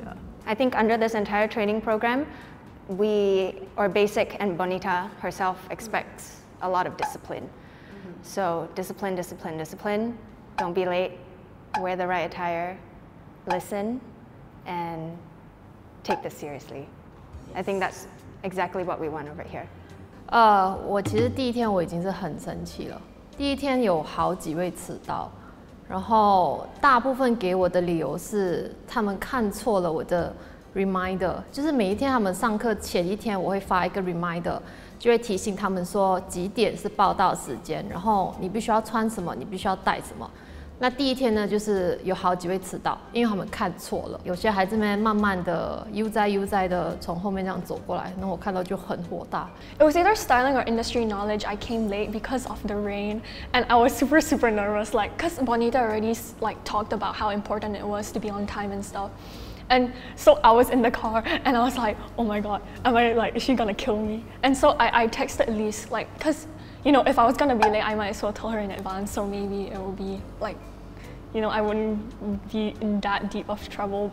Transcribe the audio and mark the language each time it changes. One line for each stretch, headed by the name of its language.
English: Yeah. I think under this entire training program, we, or Basic and Bonita herself, expects a lot of discipline. So discipline, discipline, discipline. Don't be late. Wear the right attire. Listen. And take this seriously. Yes. I think that's exactly what we want over here.
Chinese: 我其实第一天我已经是很生气了。第一天有好几位迟到，然后大部分给我的理由是他们看错了我的 reminder， 就是每一天他们上课前一天我会发一个 reminder， 就会提醒他们说几点是报到时间，然后你必须要穿什么，你必须要带什么。那第一天呢，就是有好几位迟到，因为他们看错了。有些孩子们慢慢的悠哉悠哉的从后面这样走过来，那我看到就很火大。
English: It was either styling or industry knowledge. I came late because of the rain, and I was super super nervous. Like, cause Bonita already like talked about how important it was to be on time and stuff. And so I was in the car, and I was like, oh my god, am I like is she gonna kill me? And so I texted Liz, like, cause. You know, if I was gonna be late, I might as well tell her in advance, so maybe it would be like, you know, I wouldn't be in that deep of trouble.